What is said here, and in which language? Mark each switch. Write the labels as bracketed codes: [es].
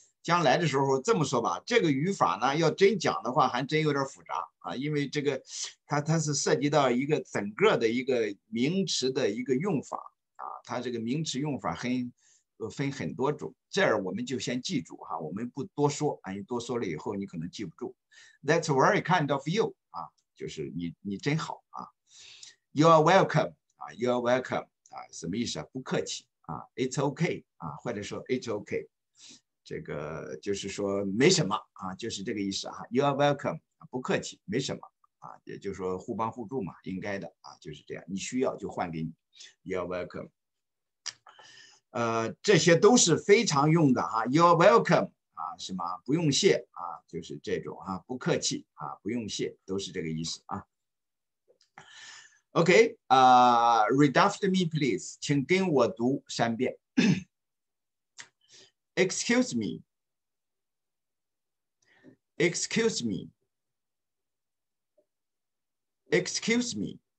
[zh] 将来的时候这么说吧，这个语法呢要真讲的话还真有点复杂啊，因为这个它是涉及到一个整个的一个名词的一个用法啊，它这个名词用法分很多种，这儿我们就先记住哈，我们不多说啊，你多说了以后你可能记不住。 [en] That's very kind of you 啊， [zh] 就是你真好啊。 [en] You are welcome 啊 You are welcome 啊， [zh] 什么意思啊？不客气啊。 [en] It's okay [zh] 啊，或者说 It's okay，这个就是说没什么啊，就是这个意思啊。 [en] You are welcome， [zh] 不客气，没什么啊，也就是说互帮互助嘛，应该的啊，就是这样。你需要就换给你。 [en] You are welcome。 [zh] 这些都是非常用的啊。 [en] You are welcome [zh] 啊，什么不用谢啊，就是这种啊，不客气啊，不用谢，都是这个意思啊。 [en] OK， read after me please， [zh] 请跟我读三遍。 [en] Excuse me. Excuse me. Excuse me.